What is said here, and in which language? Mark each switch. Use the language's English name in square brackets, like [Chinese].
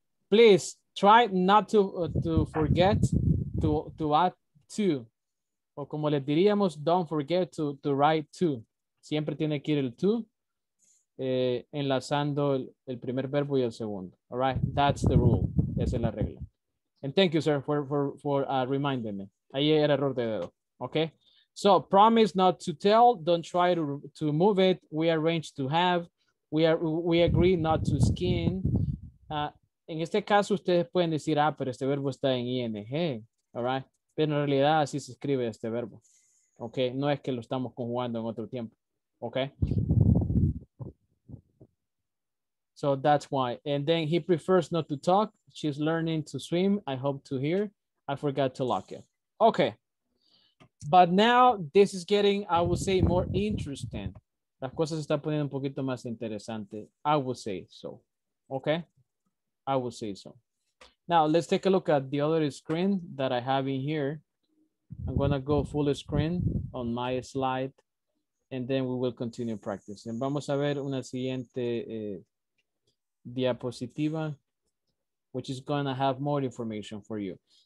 [English] Please try not to forget to add to. [Spanish] O como les diríamos, [English] don't forget to write to. [Spanish] Siempre tiene que ir el to enlazando el primer verbo y el segundo. [English] All right. That's the rule. [Spanish] Esa es la regla. [English] And thank you, sir, for reminding me. [Spanish] Ahí era error de dedo, okay? [English] So promise not to tell, don't try to move it. We arrange to have, we agree not to skin. [Spanish] En este caso, ustedes pueden decir, ah, pero este verbo está en ing, all right? Pero en realidad así se escribe este verbo, okay? No es que lo estamos conjugando en otro tiempo, okay? [English] So that's why. And then he prefers not to talk. She's learning to swim. I hope to hear. I forgot to lock it. Okay. But now this is getting, I would say, more interesting. [Spanish] Las cosas se están poniendo un poquito más interesante. [English] I would say so. Okay. I would say so. Now let's take a look at the other screen that I have in here. I'm going to go full screen on my slide. And then we will continue practicing. [Spanish] Vamos a ver una siguiente diapositiva, [English] which is going to have more information for you.